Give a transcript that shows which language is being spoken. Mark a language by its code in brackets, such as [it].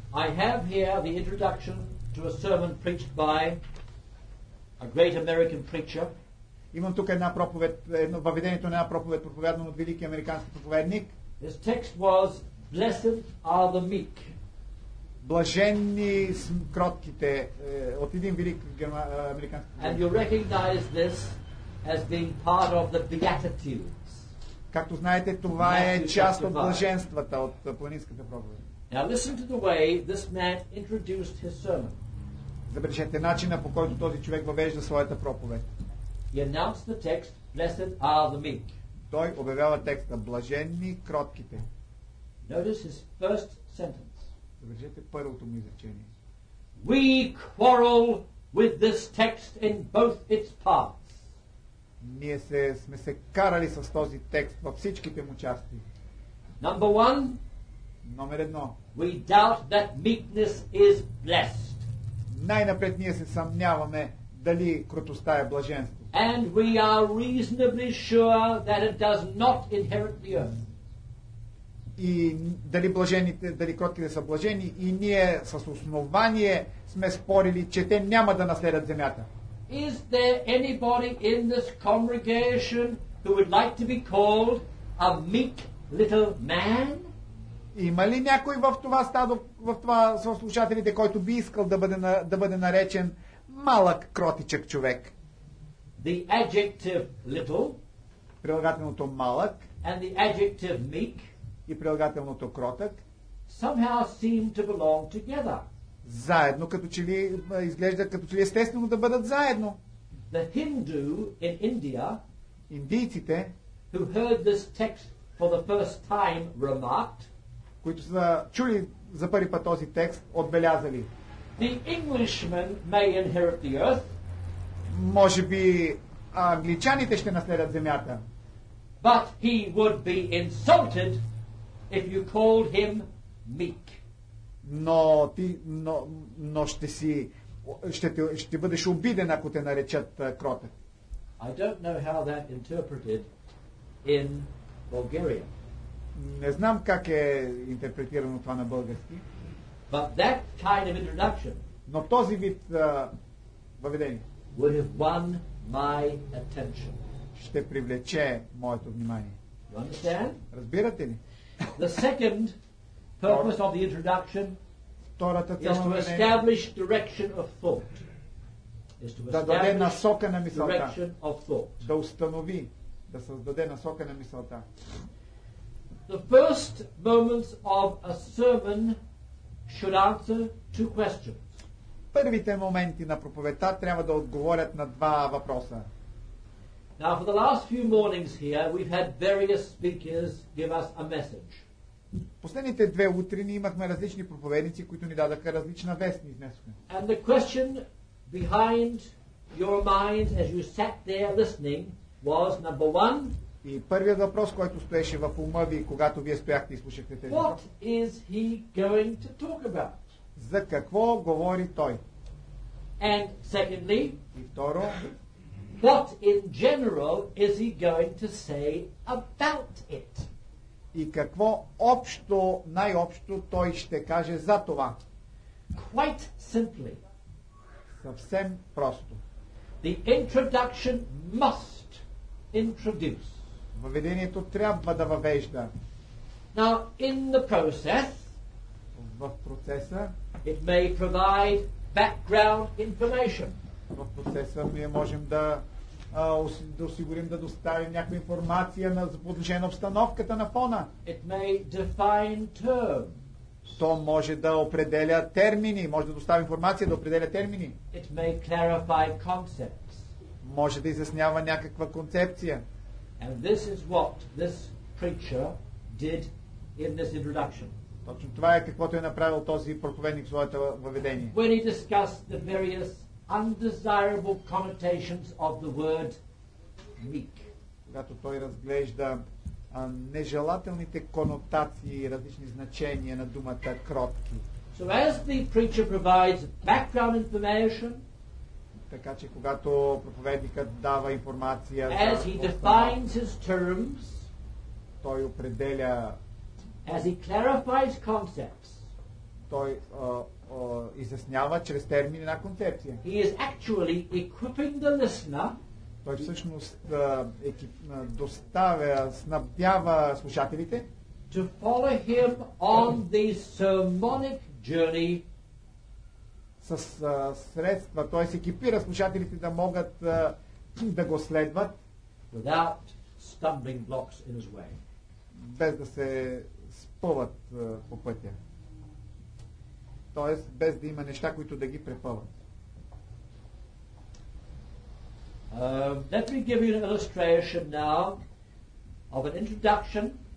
[en] I have here the introduction to a sermon preached by a great American preacher. [bg] Имам тук една проповед, въведението на една проповед, проповядано от велики американски проповедник. [en] His text was Blessed are the meek. [bg] Блаженни кротките, от един велик американски. [en] And you recognize this as being part of the Beatitudes. [bg] Както знаете, това е част от блаженствата, от планинската проповед. [en] Now listen to the way this man introduced his sermon. [bg] Забележете начина, по който този човек въвежда своята проповед. [en] He announced the text, Blessed are the meek. [bg] Той обявява текста, блаженни кротките. [en] Notice his first sentence. [bg] Забележете първото му изречение. [en] We quarrel with this text in both its parts. [bg] Ние сме се карали с този текст във всичките му части. [en] Number one. [bg] Номер едно. [en] We doubt that meekness is blessed. [bg] Най-напред ние се съмняваме дали кротостта е блаженство. [en] And we are reasonably sure that it does not inherit the earth. [bg] И дали кротките са блажени, и ние с основание сме спорили, че те няма да наследят земята. [en] Is there anybody in this congregation who would like to be called a meek little man? [bg] Има ли някой в това стадо, в това са слушателите, който би искал да бъде, на, да бъде наречен малък кротичък човек. [en] The adjective little, [bg] прилагателното малък [en] and the adjective meek, [bg] и прилагателното кротък [en] somehow seem to belong together. [bg] Заедно, като че ли изглежда, като че ли естествено да бъдат заедно. [en] The Hindu in India, [bg] индийците, [en] who heard this text for the first time, remarked, [bg] които са чули за първи път този текст, отбелязали. [en] The Englishman may inherit the earth, [bg] може би англичаните ще наследят земята. [en] But he would be insulted if you called him meek. [bg] Но ти, но, но ще си, ще, те, ще ти бъдеш обиден, ако те наречат кротък. [en] I don't know how that interpreted in Bulgaria. [bg] Не знам как е интерпретирано това на български. [en] But that kind of introduction, [bg] но този вид въведение, [en] would have won my attention. [bg] Ще привлече моето внимание. [en] You understand? [bg] Разбирате ли? [en] The second purpose of the introduction is to establish direction of thought. [bg] Да даде насока на мисълта. Да установи, да създаде насока на мисълта. [en] The first moments of a sermon should answer two questions. [bg] Първите моменти на проповедта трябва да отговорят на два въпроса. [en] Now for the last few mornings here we've had various speakers give us a message. [bg] Последните две утрини имахме различни проповедници, които ни дадаха различна вест, изнесоха. [en] And the question behind your mind as you sat there listening was number one. [bg] И първият въпрос, който стоеше в ума ви, когато вие стояхте и слушахте тези [en] What въпрос, is he going to talk about? [bg] За какво говори той? [en] And secondly, [bg] и второ, [en] what in general is he going to say about it? [bg] И какво общо, най-общо той ще каже за това? [en] Quite simply, [bg] съвсем просто. [en] The introduction must introduce. [bg] Въведението трябва да въвежда. [en] Now, in the process, [bg] в процеса, [en] it may provide background information. [bg] В процеса ние можем да да осигурим да доставим някаква информация на подлежение на обстановката на фона. [en] It may define terms. [bg] То може да определя термини, може да достави информация да определя термини. [en] It may clarify concepts. [bg] Може да изяснява някаква концепция. [en] And this is what this preacher did in this introduction. [bg] Точно това е каквото е направил този проповедник в своето въведение. [en] When he discussed the various undesirable connotations of the word meek. [bg] Когато той разглежда нежелателните конотации и различни значения на думата кротки. [en] So as the preacher provides background information, [bg] така че когато проповедникът дава информация, [en] as he defines his terms, [bg] той определя, [en] as he clarifies concepts, [bg] той изяснява чрез термин една концепция. [en] He is actually equipping the listener. [bg] Той всъщност доставя, снабдява слушателите [en] to follow him on the sermonic journey. [bg] С средства, т.е. екипира слушателите да могат да го следват [en] without stumbling blocks in his way. [bg] Без да се спъват по пътя. Тоест, без да има неща, които да ги препъват. [en] Let me give you an illustration now of an introduction.